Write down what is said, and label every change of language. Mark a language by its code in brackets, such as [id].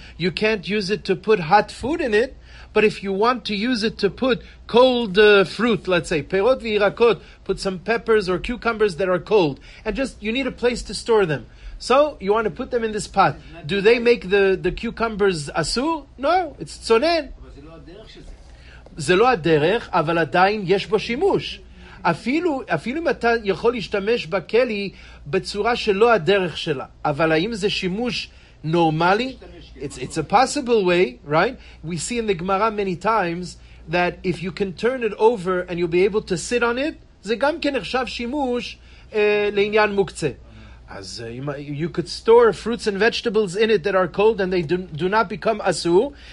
[en] You can't use it to put hot food in it. But if you want to use it to put cold fruit, let's say, [he] perot v'irakot, [en] put some peppers or cucumbers that are cold, and just you need a place to store them. So, you want to put them in this pot. Do they make the cucumbers asur? No, it's tzonen. [he] זה לא הדרך, אבל עדיין יש בו שימוש. אפילו אם אתה יכול להשתמש בכלי בצורה שלא הדרך שלה, אבל האם זה שימוש נורמלי? [en] It's a possible way, right? We see in the Gemara many times that if you can turn it over and you'll be able to sit on it, [he] זה גם כן עכשיו שימוש לעניין מוקצה. [en] אז you could store fruits and vegetables in it that are cold and they do not become asur.